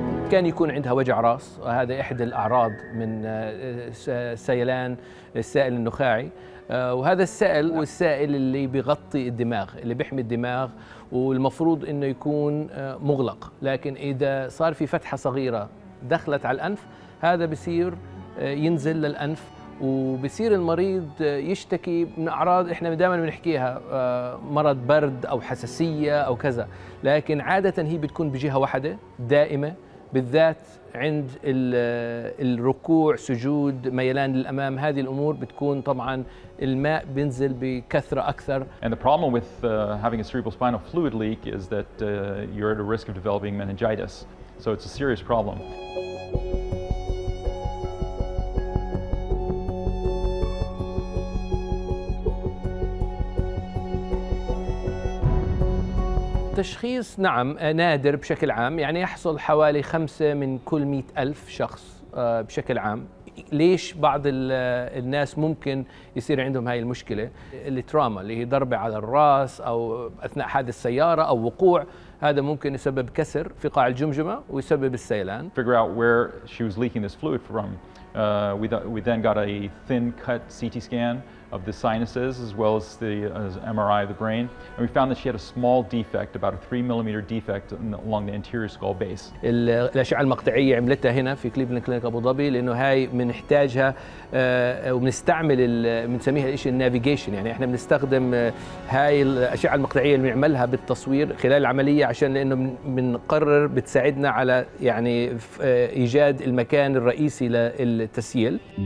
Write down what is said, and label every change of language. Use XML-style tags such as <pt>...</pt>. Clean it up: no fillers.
<ar>كان يكون عندها وجع راس، وهذا احدى الاعراض من سيلان السائل النخاعي، وهذا السائل هو السائل اللي بيغطي الدماغ، اللي بيحمي الدماغ، والمفروض انه يكون مغلق، لكن اذا صار في فتحه صغيره دخلت على الانف، هذا بصير ينزل للانف، وبصير المريض يشتكي من اعراض احنا دائما بنحكيها مرض برد او حساسيه او كذا، لكن عاده هي بتكون بجهه واحده دائمه، بالذات عند الركوع سجود ميلان للأمام. هذه الأمور بتكون طبعاً الماء بينزل بكثرة أكثر.</ar> <en>And the problem with having a cerebral spinal fluid leak is that you're at a risk of developing meningitis. So it's a serious problem.</en> <ar>تشخيص نعم نادر بشكل عام، يعني يحصل حوالي 5 من كل 100 ألف شخص بشكل عام. ليش بعض الناس ممكن يصير عندهم هاي المشكلة؟ التراما اللي هي ضربة على الرأس أو أثناء حادث سيارة أو وقوع، هذا ممكن يسبب كسر في قاع الجمجمة ويسبب السيلان.</ar> <en>Figure out where she was leaking this fluid from. We then got a thin cut CT scan of the sinuses as well as the MRI of the brain, and we found that she had a small defect, about a 3 millimeter defect along the anterior skull base.</en> <ar>الأشعة المقطعية عملتها هنا في كليفلاند كلينك أبو ظبي، لأنه هاي بنحتاجها وبنستعمل بنسميها الشيء النافيجيشن، يعني احنا بنستخدم هاي الأشعة المقطعية اللي بنعملها بالتصوير خلال العملية، عشان لأنه بنقرر بتساعدنا على يعني إيجاد المكان الرئيسي للتسييل.</ar>